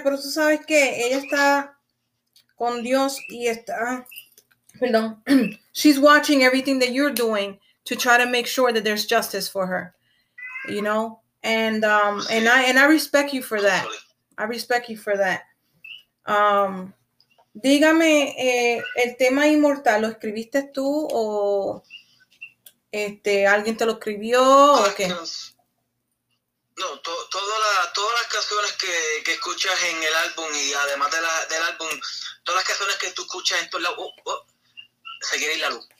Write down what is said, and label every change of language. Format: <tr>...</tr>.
<es>Pero tú sabes que ella está con Dios y está... Perdón.</es> <en>She's watching everything that you're doing to try to make sure that there's justice for her, you know, and I respect you for that. I respect you for that.</en> <es>Dígame, el tema inmortal, ¿lo escribiste tú o alguien te lo escribió o qué? No, todas las canciones que escuchas en el álbum, y además del álbum, todas las canciones que tú escuchas en tu lado, seguiré la luz.</es>